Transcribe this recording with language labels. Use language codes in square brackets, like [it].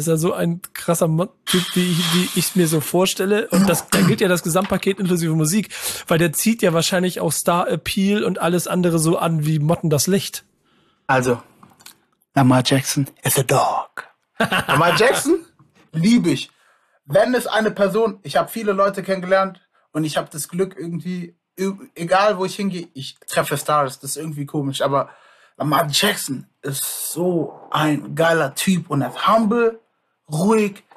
[de] Ist er so ein krasser Typ, wie ich mir so vorstelle? Und das, da gilt ja das Gesamtpaket inklusive Musik, weil der zieht ja wahrscheinlich auch Star-Appeal und alles andere so an wie Motten das Licht. [en] Also, Lamar Jackson is a dog. [de] Lamar Jackson liebe ich. Wenn es eine Person, ich habe viele Leute kennengelernt und ich habe das Glück irgendwie, egal wo ich hingehe, ich treffe Stars, das ist irgendwie komisch, aber Lamar Jackson ist so ein geiler Typ und er ist humble, ruhig.